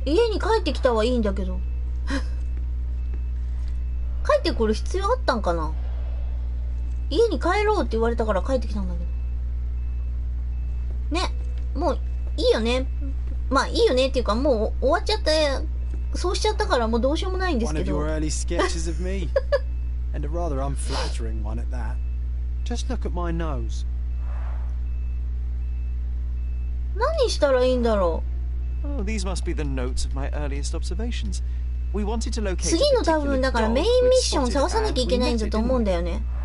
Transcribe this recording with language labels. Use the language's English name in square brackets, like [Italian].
[Japanese] 家に帰ってきたはいいんだけど。帰ってくる必要あったんかな。家に帰ろうって言われたから帰ってきたんだけど。ね、もういいよね。まあいいよねっていうか、もう終わっちゃった、そうしちゃったからもうどうしようもないんですけど。 [English] One of your early sketches of me, and a rather unflattering one at that. Just look at my nose. [Japanese] 何したらいいんだろう。 [English] These must be the notes of my earliest observations. We wanted to locate. [Japanese] 次の多分だからメインミッション探さなきゃいけないんだと思うんだよね。